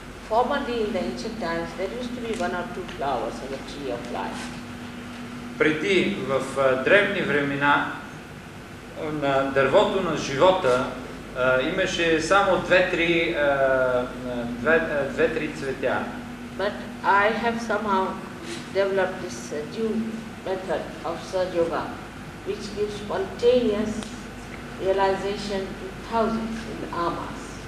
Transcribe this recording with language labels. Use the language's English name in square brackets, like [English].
[English] Formerly in the ancient times there used to be one or two flowers on the tree of life. [Bulgarian] Преди в древни времена на дървото на живота имаше само две-три цветя. [English] But I have somehow developed this new method of Sahaja Yoga, which gives spontaneous realization to thousands in amas.